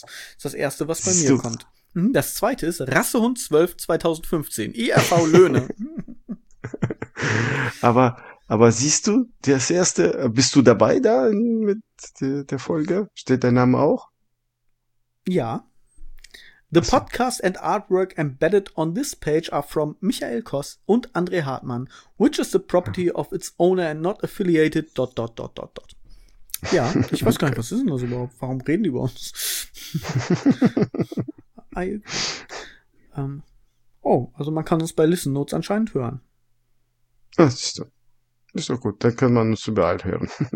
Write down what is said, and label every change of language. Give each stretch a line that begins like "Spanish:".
German: Das ist das erste, was bei mir kommt. Das zweite ist Rassehund 12 2015, IAV Löhne. Aber siehst du, das erste, bist du dabei da mit der Folge? Steht dein Name auch? Ja.
English: The podcast and artwork embedded on this page are from Michael Koss und André Hartmann, which is the property of its owner and not affiliated dot dot dot dot dot.
German: Ja, ich weiß gar nicht, was ist denn das überhaupt? Warum reden die über uns? also man kann uns bei Listen Notes anscheinend hören. Das ist doch gut, dann kann man uns überall hören.